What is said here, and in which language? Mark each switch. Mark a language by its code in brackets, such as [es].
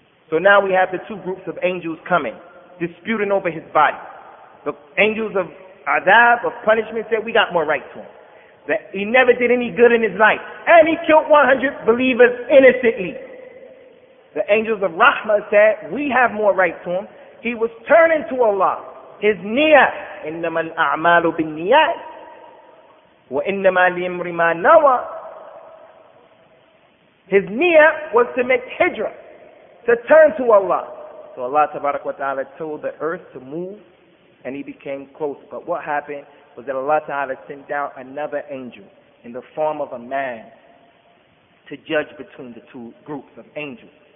[en] So now we have the two groups of angels coming, disputing over his body. The angels of adab, of punishment, said we got more right to him. That he never did any good in his life. And he killed 100 believers innocently. The angels of rahmah said we have more right to him. He was turning to Allah. His niyyah, [ar] إِنَّمَا الْأَعْمَالُ بِالنِّيَّةِ وَإِنَّمَا لِيَمْرِ مَا نَوَى. [en] His niyyah was to make hijrah, to turn to Allah. So Allah tabarak wa ta'ala told the earth to move, and he became close. But what happened was that Allah ta'ala sent down another angel in the form of a man to judge between the two groups of angels.